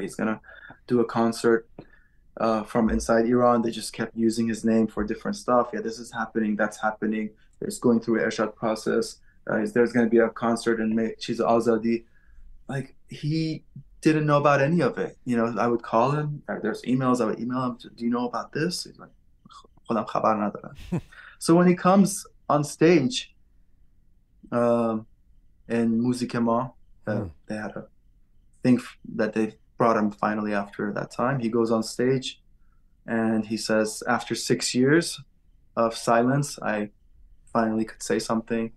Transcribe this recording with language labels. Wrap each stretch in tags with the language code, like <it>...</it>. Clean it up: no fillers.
<en>He's going to do a concert. From inside Iran, they just kept using his name for different stuff. Yeah, this is happening. That's happening. It's going through an Irshad process. There's going to be a concert in Chiz Azadi. Like, he didn't know about any of it. You know, I would call him. There's emails. I would email him. Do you know about this? He's like,</en> <fa>خودم خبر ندارم.</fa> <en>So when he comes on stage in Muzik-e Ma, they had a thing that they brought him finally after that time. He goes on stage and he says, after 6 years of silence, I finally could say something.</en>